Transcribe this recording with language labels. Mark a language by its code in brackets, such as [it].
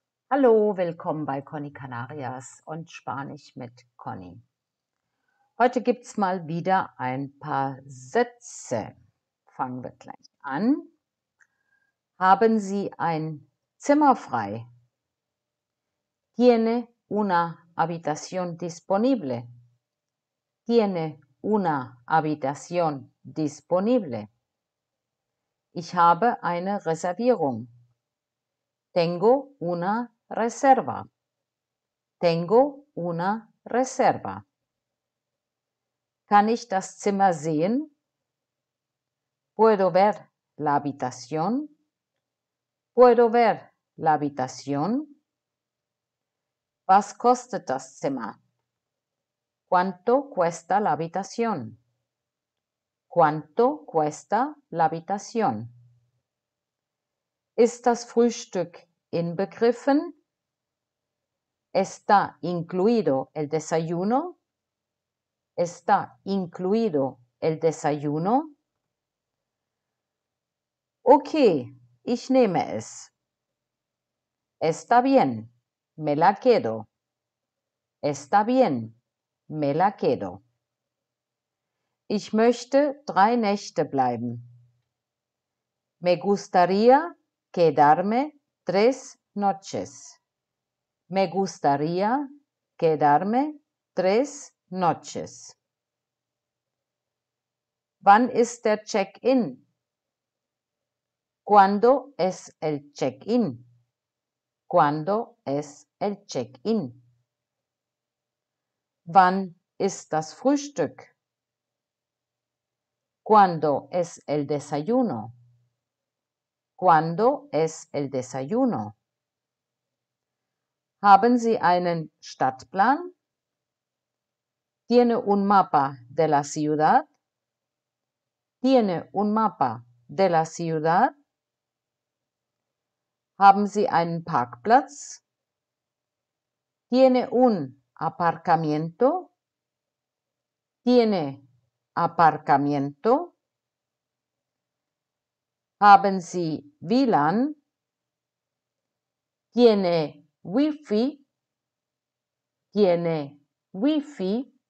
[de] Hallo, willkommen bei Conny Canarias und Spanisch mit Conny. Heute gibt's mal wieder ein paar Sätze. Fangen wir gleich an. Haben Sie ein Zimmer frei? [es] ¿Tiene una habitación disponible? ¿Tiene una habitación disponible? [de] Ich habe eine Reservierung. [es] Tengo una Reserva. Tengo una reserva. [de] Kann ich das Zimmer sehen? [es] Puedo ver la habitación. Puedo ver la habitación. [de] Was kostet das Zimmer? [es] ¿Cuánto cuesta la habitación? ¿Cuánto cuesta la habitación? [de] Ist das Frühstück inbegriffen? [es] ¿Está incluido el desayuno? ¿Está incluido el desayuno? [de] Okay, ich nehme es. [es] Está bien, me la quedo. Está bien, me la quedo. [de] Ich möchte 3 Nächte bleiben. [es] Me gustaría quedarme 3 noches. Me gustaría quedarme 3 noches. [de] ¿Wann ist der Check-in? [es] ¿Cuándo es el check-in? ¿Cuándo es el check-in? [de] ¿Wann ist das Frühstück? [es] ¿Cuándo es el desayuno? ¿Cuándo es el desayuno? [de] Haben Sie einen Stadtplan? [es] Tiene un mapa de la ciudad? Tiene un mapa de la ciudad? [de] Haben Sie einen Parkplatz? [es] Tiene un aparcamiento? Tiene aparcamiento? [de] Haben Sie WLAN? [es] Tiene Wifi, tiene Wifi.